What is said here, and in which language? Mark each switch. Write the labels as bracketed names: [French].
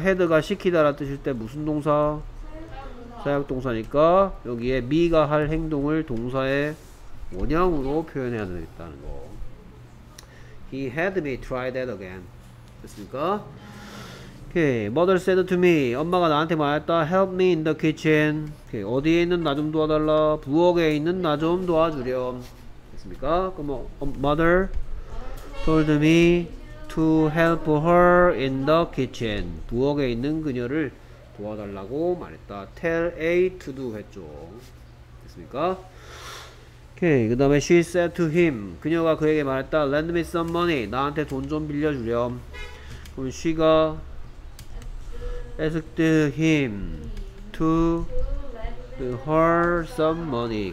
[Korean] had가 시키다라는 뜻일 때 무슨 동사? 사역동사니까 여기에 me가 할 행동을 동사의 원형으로 표현해야 되겠다는 거. [English] He had me try that again. [Korean] 됐습니까? [English] Okay. Mother said to me. [Korean] 엄마가 나한테 말했다. [English] Help me in the kitchen. Okay. [Korean] 어디에 있는 나 좀 도와달라. 부엌에 있는 나 좀 도와주렴. 됐습니까? 그럼 [English] mother told me to help her in the kitchen. [Korean] 부엌에 있는 그녀를 도와달라고 말했다. [English] Tell A to do [Korean] 했죠. 됐습니까? 오케이. 그 다음에 [English] she said to him. [Korean] 그녀가 그에게 말했다. [English] Lend me some money. [Korean] 나한테 돈 좀 빌려주렴. 그럼 [English] she가 asked him to lend her some money.